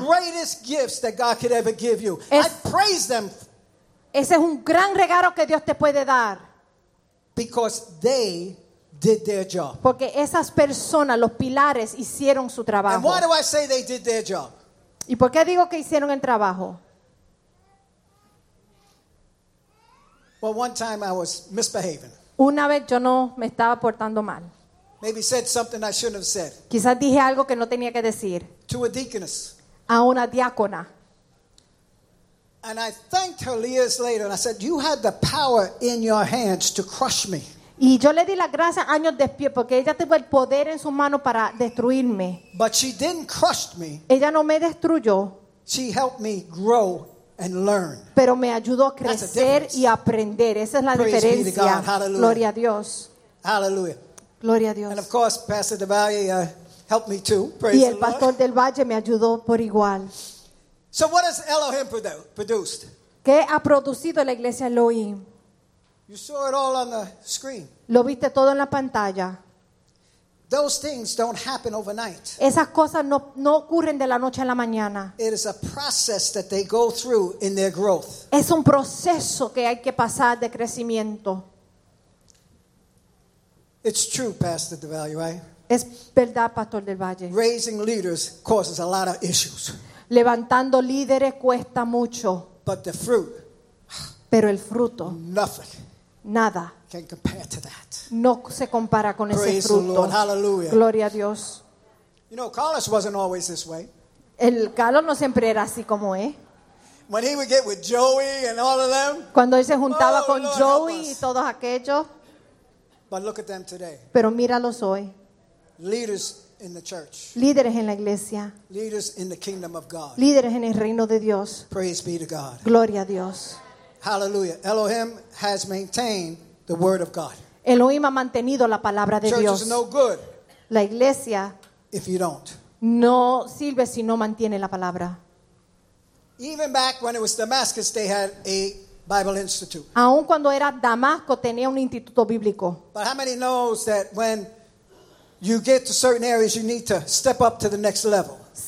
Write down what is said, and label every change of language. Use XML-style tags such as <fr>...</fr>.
<en>The greatest gifts that God could ever give you. I praise them.</en> <es>Ese es un gran regalo que Dios te puede dar.</es> <en>Because they did their job.</en> <es>Porque esas personas, los pilares, hicieron su trabajo.</es> <en>And why do I say they did their job?</en> <es>¿Y por qué digo que hicieron el trabajo?</es> <en>Well, one time I was misbehaving.</en> <es>Una vez yo no me estaba portando mal.</es> <en>Maybe said something I shouldn't have said.</en> <es>Quizás dije algo que no tenía que decir.</es> <en>To a deaconess.</en> <es>A una diácona.</es> <en>And I thanked her years later, and I said, "You had the power in your hands to crush me."</en> <es>Y yo le di las gracias años después porque ella tuvo el poder en sus manos para destruirme.</es> <en>But she didn't crush me.</en> <es>Ella no me destruyó.</es> <en>She helped me grow and learn.</en> <es>Pero me ayudó a crecer y aprender. Esa es la diferencia.</es> <en>Praise be to God. Hallelujah.</en> <es>Gloria a Dios.</es> <en>Hallelujah.</en> <es>Gloria a Dios.</es> <en>And of course, Pastor Del Valle helped me too. Praise</en> <es>y el pastor</es> <en>the Lord.</en> <es>Del Valle me ayudó por igual.</es> <en>So what has Elohim produced?</en> <es>¿Qué ha producido la iglesia Elohim?</es> <en>You saw it all on the screen.</en> <es>Lo viste todo en la pantalla.</es> <en>Those things don't happen overnight.</en> <es>Esas cosas no ocurren de la noche a la mañana.</es> <en>It is a process that they go through in their growth.</en> <es>Es un proceso que hay que pasar de crecimiento.</es> <en>It's true, Pastor Del Valle, right?</en> <es>Es verdad, Pastor Del Valle.</es> <en>Raising leaders causes a lot of issues.</en> <es>Levantando líderes cuesta mucho.</es> <en>But the fruit.</en> <es>Pero el fruto.</es> <en>Nothing.</en> <es>Nada.</es> <en>Can compare to that.</en> <es>No se compara con</es> <en>Praise</en> <es>ese fruto.</es> <en>The Lord. Hallelujah.</en> <es>Gloria a Dios.</es> <en>You know, Carlos wasn't always this way.</en> <es>El Carlos no siempre era así como es.</es> <en>When he would get with Joey and all of them.</en> <es>Cuando él se juntaba con Lord, Joey y todos aquellos.</es> <en>But look at them today.</en> <es>Pero míralos hoy.</es> <en>Leaders in the church.</en> <es>Líderes en la iglesia.</es> <en>Leaders in the kingdom of God.</en> <es>Líderes en el reino de Dios.</es> <en>Praise be to God.</en> <es>Gloria a Dios.</es> <en>Hallelujah. Elohim has maintained the word of God.</en> <es>Elohim ha mantenido la palabra de Dios.</es> <en>Church is no good.</en> <es>La iglesia.</es> <en>If you don't.</en> <es>No sirve si no mantiene la palabra.</es> <en>Even back when it was Damascus, they had a Bible Institute.</en> <es>Aun cuando era Damasco tenía un instituto bíblico.</es> <en>But how many knows that when you get to certain areas, you need to step up to the next level?</en>